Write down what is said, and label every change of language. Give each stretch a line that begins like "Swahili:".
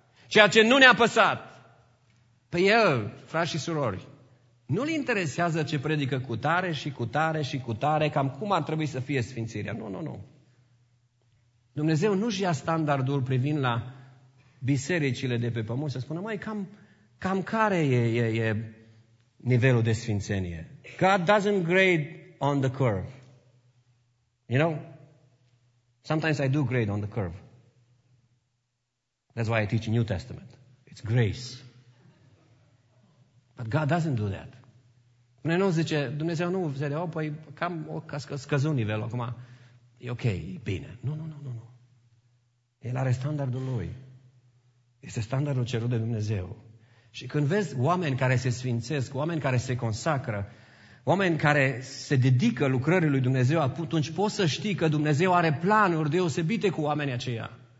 Romanian: Ceea ce nu ne-a păsat. Pe El, frați și surori, nu-L interesează ce predică cu tare și cu tare și cu tare, cam cum ar trebui să fie sfințirea. Nu, nu, nu. Dumnezeu nu-și ia standardul privind la bisericile de pe pământ să spună, măi, cam care e nivelul de sfințenie?
English: God doesn't grade on the curve. You know? Sometimes I do grade on the curve. That's why I teach New Testament. It's grace. But God doesn't do that.
Romanian: Noi nu zice, Dumnezeu nu zice, păi cam scăzut nivelul acum. E ok, e bine. Nu, nu, nu, nu, nu. El are standardul lui. Este standardul cerut de Dumnezeu. Și când vezi oameni care se sfințesc, oameni care se consacră, oameni care se dedică lucrării lui Dumnezeu, atunci poți să știi că Dumnezeu are planuri deosebite cu oamenii aceia.